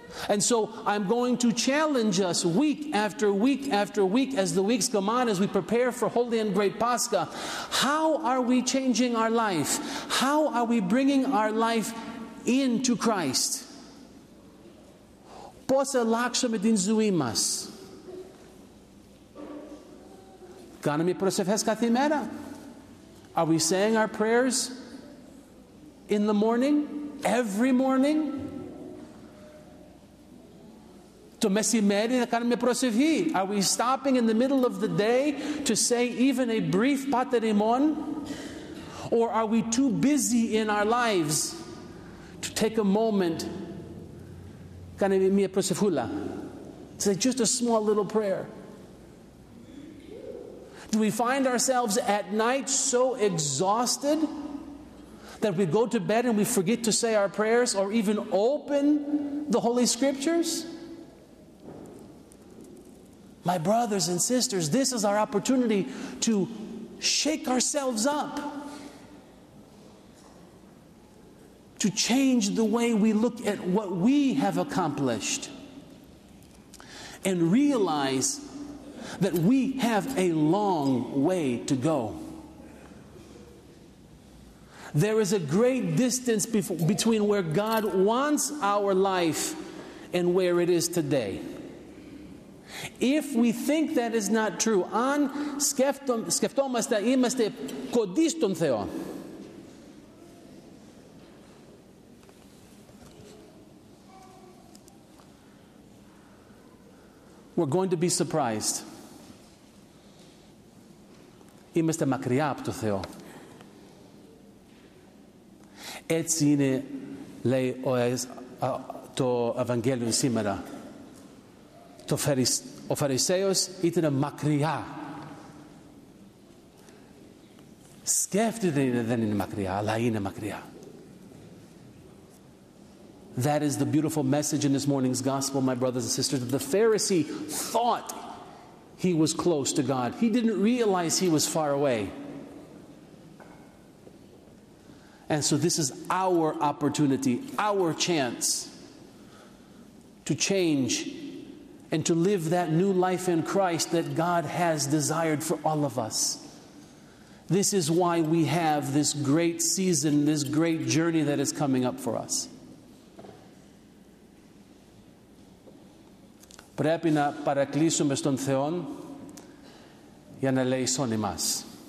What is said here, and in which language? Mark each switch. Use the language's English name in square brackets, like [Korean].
[English] And so I'm going to challenge us week after week after week as the weeks come on, as we prepare for Holy and Great Pascha. How are we changing our life? How are we bringing our life into Christ? [Greek] Πώς αλλάξαμε την ζωή μας? Κάναμε προσευχές κάθε μέρα? [English] Are we saying our prayers in the morning? Every morning? [Greek] Το μεσημέρι να κάνουμε προσευχή? [English] Are we stopping in the middle of the day to say even a brief Pater Imon? Or are we too busy in our lives to take a moment? [Greek] Κάνουμε μια προσευχούλα. [English] Say just a small little prayer. Do we find ourselves at night so exhausted that we go to bed and we forget to say our prayers or even open the Holy Scriptures? My brothers and sisters, this is our opportunity to shake ourselves up, to change the way we look at what we have accomplished and realize that we have a long way to go. There is a great distance between where God wants our life and where it is today. If we think that is not true, [Greek] αν σκεφτόμαστε είμαστε κοντί στον Θεό. [English] We're going to be surprised. [Greek] Είμαστε μακριά από το Θεό. Έτσι είναι, λέει το Ευαγγέλιο σήμερα. Ο Φαρισαίος ήταν μακριά. Σκέφτεται ότι δεν είναι μακριά, αλλά είναι μακριά. [English] That is the beautiful message in this morning's gospel, my brothers and sisters. The Pharisee thought he was close to God. He didn't realize he was far away. And so this is our opportunity, our chance to change and to live that new life in Christ that God has desired for all of us. This is why we have this great season, this great journey that is coming up for us. [Greek] Πρέπει να παρακλήσουμε στον Θεό για να ελέησον εμάς.